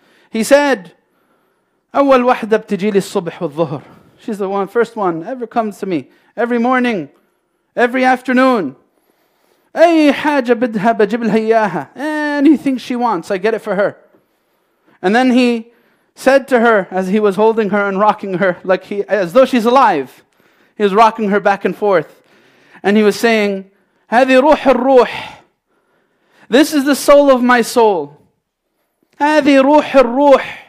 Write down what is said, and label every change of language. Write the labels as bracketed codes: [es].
[en] He said, [ar] أول واحدة بتجي لي الصبح والظهر. [en] She's the one, first one ever comes to me. Every morning, every afternoon. [ar] أي حاجة بدها بجيب لها إياها. [en] Anything she wants, I get it for her. And then he said to her, as he was holding her and rocking her, like he, as though she's alive. He was rocking her back and forth. And he was saying, [ar] هذه روح الروح. [en] This is the soul of my soul. [ar] هذه روح الروح.